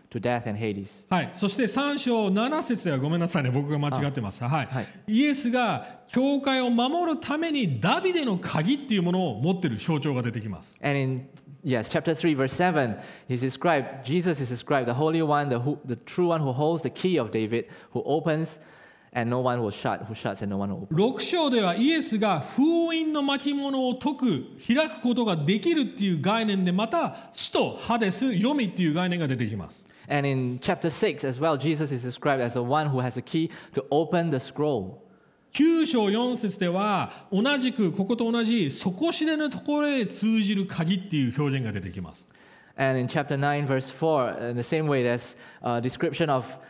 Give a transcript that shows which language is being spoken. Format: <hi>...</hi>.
<en>To death and Hades.</en> <ja>はい、そして3章7節ではごめんなさいね、僕が間違ってます。はい、イエスが教会を守るためにダビデの鍵っていうものを持ってる象徴が出てきます。</ja> <en>And in yes, chapter 3, verse 7, he's described. Jesus is described the Holy One, the true One who holds the key of David, who opens and no one will shut, who shuts and no one will open.</en> <ja>6章ではイエスが封印の巻物を解く、開くことができるっていう概念で、また死とハデス、黄泉っていう概念が出てきます。</ja> <en>And in chapter 6 as well, Jesus is described as the one who has the key to open the scroll.</en> <ja>9章4節では同じくここと同じ底知れぬところへ通じる鍵っていう表現が出てきます。</ja> <en>And in chapter 9 verse 4, in the same way, there's a description of</en>